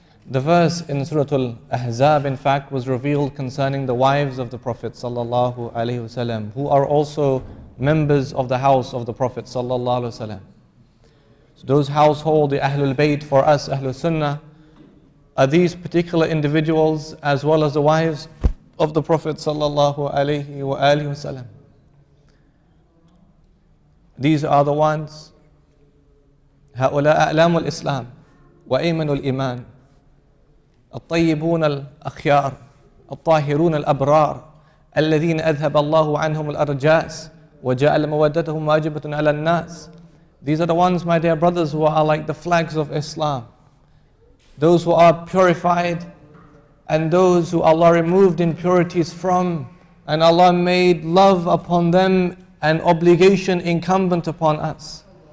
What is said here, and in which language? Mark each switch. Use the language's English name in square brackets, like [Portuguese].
[English] The verse in Surah Al-Ahzab, in fact, was revealed concerning the wives of the Prophet sallallahu alaihi wasallam, who are also members of the house of the Prophet sallallahu alaihi wasallam. So those household, the Ahlul Bayt for us, Ahlul Sunnah, are these particular individuals as well as the wives of the Prophet sallallahu alaihi wa alihi wasallam. [Arabic] These are the ones, هؤلاء أعلام الإسلام وأيمن الإيمان الطيبون الأخيار الطاهرون الأبرار الذين أذهب الله عنهم الأرجاس وجاء لمودتهم واجبة على الناس. [English] These are the ones, my dear brothers, who are like the flags of Islam. Those who are purified and those who Allah removed impurities from, and Allah made love upon them and obligation incumbent upon us.